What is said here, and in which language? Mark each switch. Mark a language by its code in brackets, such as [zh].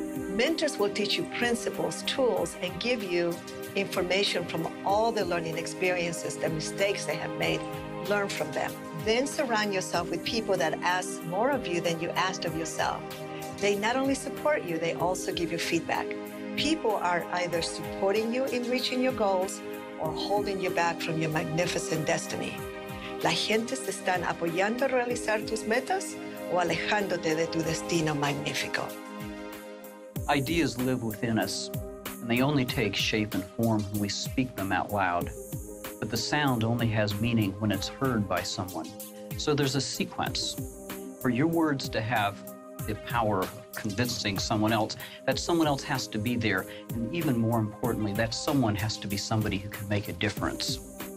[en] Mentors will teach you principles, tools, and give you information from all the learning experiences, the mistakes they have made. Learn from them. Then surround yourself with people that ask more of you than you asked of yourself. They not only support you, they also give you feedback. People are either supporting you in reaching your goals or holding you back from your magnificent destiny. [es] La gente se están apoyando a realizar tus metas o alejándote de tu destino magnífico. [en] Ideas live within us, and they only take shape and form when we speak them out loud. But the sound only has meaning when it's heard by someone. So there's a sequence. For your words to have the power of convincing someone else, that someone else has to be there, and even more importantly, that someone has to be somebody who can make a difference.